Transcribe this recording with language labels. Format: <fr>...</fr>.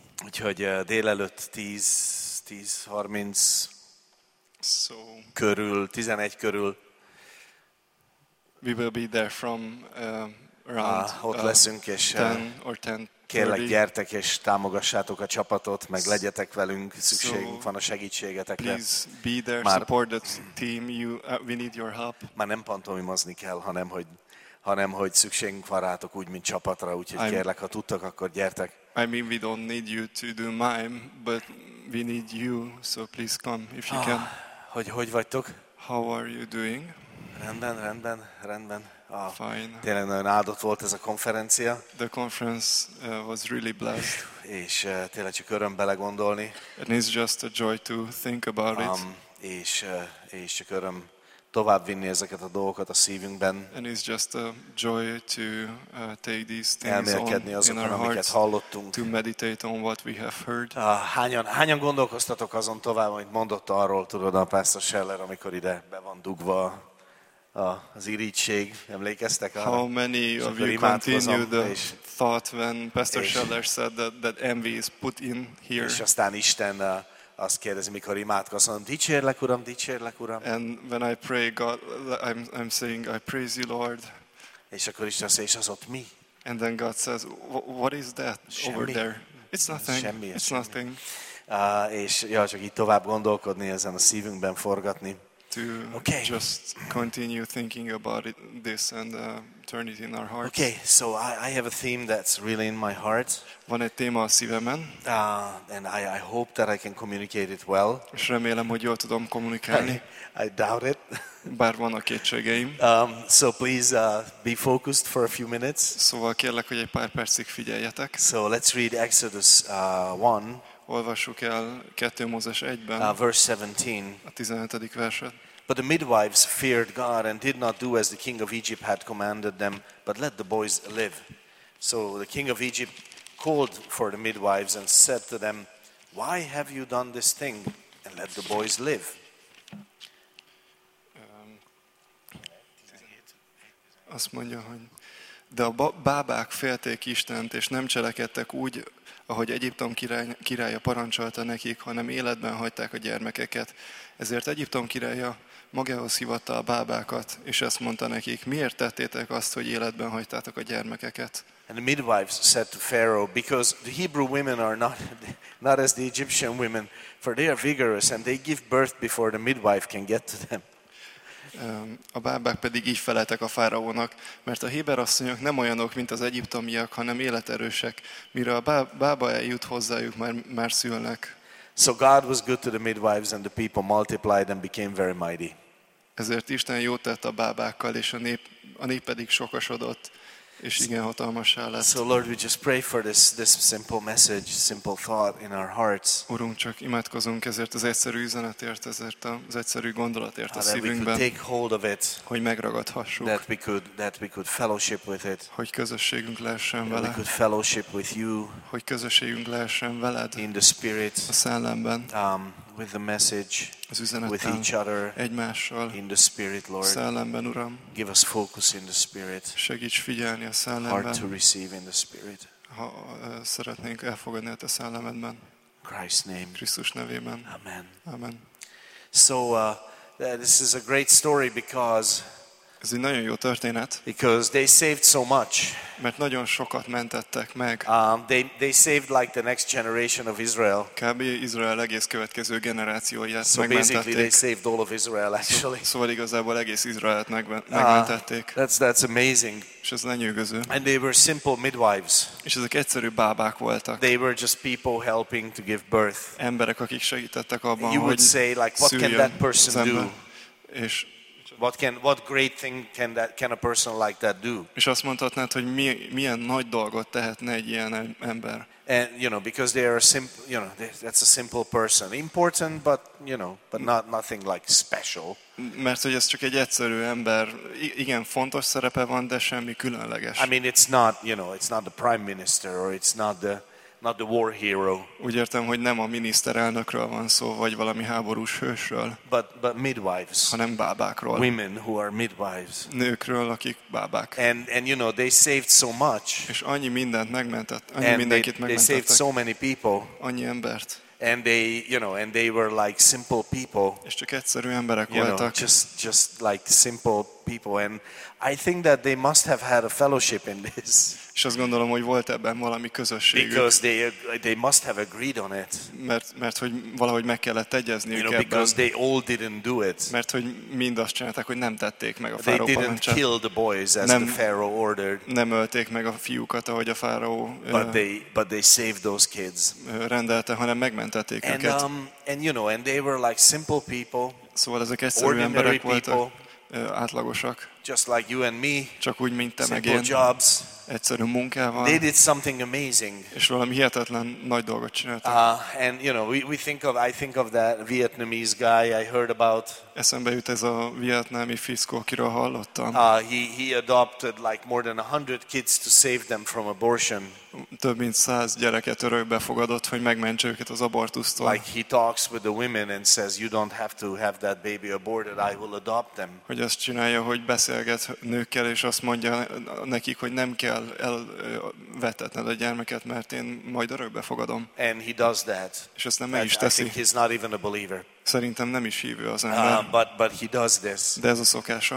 <hu>Úgyhogy délelőtt 10:30</hu> <en>so,</en> <hu>körül, 11 körül.</hu> <en>We will be there from around 10 or 10:30.</en> <hu>Kérlek, gyertek és támogassátok a csapatot, meg legyetek velünk, szükségünk van a segítségetekre.</hu> <en>Please be there,</en> <hu>már,</hu> <en>support the team, you, we need your help.</en> <hu>Már nem pantomimozni kell, hanem hogy szükségünk van rátok úgy, mint csapatra, úgyhogy kérlek, ha tudtak, akkor gyertek.</hu> <en>I mean, we don't need you to do mime, but we need you, so please come if you can.</en> <hu>Hogy vagytok?</hu> <en>How are you doing?</en> <hu>Rendben.</hu> <en>Fine.</en> <hu>Tényleg nagyon áldott volt ez a konferencia.</hu> <en>The conference was really blessed.</en> <hu>És tényleg csak öröm belegondolni.</hu> <en>And it's just a joy to think about it.</en> <hu>És csak öröm továbbvinni ezeket a dolgokat a szívünkben.</hu> <en>And it's just a joy to take these things</en> <hu>elmélkedni azokon,</hu> <en>in our</en> <hu>amiket</hu> <en>hearts,</en> <hu>hallottunk.</hu> <en>To meditate on what we have heard.</en> <hu>Hányan gondolkoztatok azon tovább, amit mondott arról, tudod, a Pastor Scheller, amikor ide be van dugva az irítség, emlékeztek arra?</hu> <en>How many of you continue the thought when Pastor Scheller said that envy is put in here?</en> <hu>És aztán Isten azt kérdezi, mikor imádkozom, dicsérlek Uram.</hu> <en>And when I pray God, I'm saying I praise you Lord.</en> <hu>És akkor Isten azt mondja, és az ott mi?</hu> <en>And then God says, what is that</en> <hu>semmi.</hu> <en>Over there? It's nothing.</en> <hu>Semmi.</hu> <en>It's nothing.</en> <hu>És ja, csak így tovább gondolkodni, ezen a szívünkben forgatni.</hu> <en>To okay. Just continue thinking about it, this and turn it in our hearts. Okay, so I have a theme that's really in my heart.</en> <hu>Van egy téma a szívemen.</hu> <en>And I hope that I can communicate it well.</en> <hu>És remélem, hogy jól tudom kommunikálni.</hu> <en>I doubt it.</en> <hu>Bár van a kétségeim.</hu> <en>So please be focused for a few minutes.</en> <hu>Szóval kérlek, hogy egy pár percig figyeljetek.</hu> <en>So let's read Exodus 1.</en> <hu>Olvassuk el 2 Mózes 1-ben.</hu> <en>Verse 17.</en> <hu>A 17. verset.</hu> <en>But the midwives feared God and did not do as the king of Egypt had commanded them, but let the boys live. So the king of Egypt called for the midwives and said to them, why have you done this thing and let the boys live?</en> <hu>Azt mondja, hogy de a bábák félték Istent, és nem cselekedtek úgy, ahogy Egyiptom királya parancsolta nekik, hanem életben hagyták a gyermekeket. Ezért Egyiptom királya magához hívatta a bábákat, és ezt mondta nekik, miért tettétek azt, hogy életben hagytátok a gyermekeket?</hu> <en>And the midwives said to Pharaoh, because the Hebrew women are not as the Egyptian women, for they are vigorous, and they give birth before the midwife can get to them.</en> <hu>A bábák pedig így feleltek a fáraónak, mert a héber asszonyok nem olyanok, mint az egyiptomiak, hanem életerősek, mire a bába eljut hozzájuk, már szülnek.</hu> <en>So God was good to the midwives and the people multiplied and became very mighty.</en> <hu>Ezért Isten jót tett a bábákkal, és a nép pedig sokasodott, és igen hatalmassá lett.</hu> <en>So Lord, we just pray for this simple message, simple thought in our hearts.</en> <hu>Urunk, csak imádkozunk ezért az egyszerű üzenetért, ezért az egyszerű gondolatért a szívünkben.</hu> <en>That we could take hold of it.</en> <hu>Hogy megragadhassuk.</hu> <en>That we could fellowship with it.</en> <hu>Hogy közösségünk lehessen vele.</hu> <en>That we could fellowship with you.</en> <hu>Hogy közösségünk lehessen veled.</hu> <en>In the spirit.</en> <hu>A szellemben.</hu> <en>With the message.</en> <hu>Az üzenettel.</hu> <en>With each other.</en> <hu>Egymással.</hu> <en>In the spirit, Lord.</en> <hu>Szellemben, Uram.</hu> <en>Give us focus in the spirit.</en> <hu>Segíts figyelni a szellemben.</hu> <en>Heart to receive in the spirit.</en> <hu>Ha szeretnénk elfogadni a te szellemedben.</hu> <en>Christ's name.</en> <hu>Krisztus nevében.</hu> <en>Amen.</en> <hu>Amen.</hu> <en>So this is a great story because.</en> <hu>Ez egy nagyon jó történet.</hu> <en>Because they saved so much.</en> <hu>Mert nagyon sokat mentettek meg.</hu> <en>They saved like the next generation of Israel.</en> <hu>Kb. Izrael egész következő generációját</hu> <en>so</en> <hu>megmentették.</hu> <en>So basically they saved all of Israel actually.</en> <hu>Szóval igazából egész Izraelt megmentették.</hu> <en>That's amazing.</en> <hu>És ez lenyűgöző.</hu> <en>And they were simple midwives.</en> <hu>És ezek egyszerű bábák voltak.</hu> <en>They were just people helping to give birth.</en> <hu>Emberek, akik segítettek abban,</hu> <en>you would</en> <hu>hogy</hu> <en>say like what can that person</en> <hu>szemben.</hu> <en>Do?</en> <hu>És</hu> <en>What great thing can a person like that do?</en> <hu>És azt mondhatnád, hogy milyen nagy dolgot tehetne egy ilyen ember.</hu> <en>And you know, because they are simple, you know, that's a simple person, important, but you know, but not nothing like special.</en> <hu>Mert hogy ez csak egy egyszerű ember, igen, fontos szerepe van, de semmi különleges.</hu> <en>I mean, it's not, you know, it's not the prime minister or it's not the war hero.</en> <hu>Úgy értem, hogy nem a miniszterelnökről van szó, vagy valami háborús hősről.</hu> <en>But midwives.</en> <hu>Hanem bábákról.</hu> <en>Women who are midwives.</en> <hu>Nőkről, akik bábák.</hu> <en>And you know, they saved so much.</en> <hu>És annyi mindent megmentett, annyi and mindenkit megmentettek.</hu> <en>They saved so many people.</en> <hu>Annyi embert.</hu> <en>And they, you know, and they were like simple people.</en> <hu>És csak egyszerű emberek voltak.</hu> <en>Know, just like simple people. And I think that they must have had a fellowship in this.</en> <hu>És azt gondolom, hogy volt ebben valami közösségük.</hu> <en>Because they must have agreed on it.</en> <hu>Mert hogy valahogy meg kellett egyezni ebben.</hu> <en>Because they all didn't do it.</en> <hu>Mert hogy mind azt csinálták, hogy nem tették meg a fáraó parancsát.</hu> <en>They didn't kill the boys as the pharaoh ordered.</en> <hu>Nem ölték meg a fiúkat, ahogy a fáraó.</hu> <en>But they saved those kids.</en> <hu>Rendelte, hanem megmentették őket.</hu> <en>And you know, and they were like simple people.</en> <hu>Szóval ezek egyszerű emberek voltak. Átlagosak.</hu> <en>Just like you and me.</en> <hu>Csak úgy, mint te meg én.</hu> <en>Jobs.</en> <hu>Egyszerű munkával.</hu> <en>They did something amazing.</en> <hu>És valami hihetetlen nagy dolgot csináltak.</hu> <en>And you know, I think of that Vietnamese guy I heard about.</en> <hu>Eszembe jut ez a vietnámi fiszkó, akiről hallottam.</hu> <en>He adopted like more than 100 kids to save them from abortion.</en> <hu>Több mint 100 gyereket örökbe fogadott, hogy megmentse őket az abortusztól.</hu> <en>Like he talks with the women and says, you don't have to have that baby aborted, I will adopt them.</en> <hu>Hogy azt csinálja, hogy beszélget nőkkel, és azt mondja nekik, hogy nem kell elvetetned a gyermeket, mert én majd örökbe fogadom.</hu> <en>And he does that.</en> <hu>És ezt nem meg is teszi.</hu> <en>I think he's not even a believer.</en> <hu>Szerintem nem is hívő az ember.</hu> <en>But he does this.</en> <hu>De ez a szokása.</hu>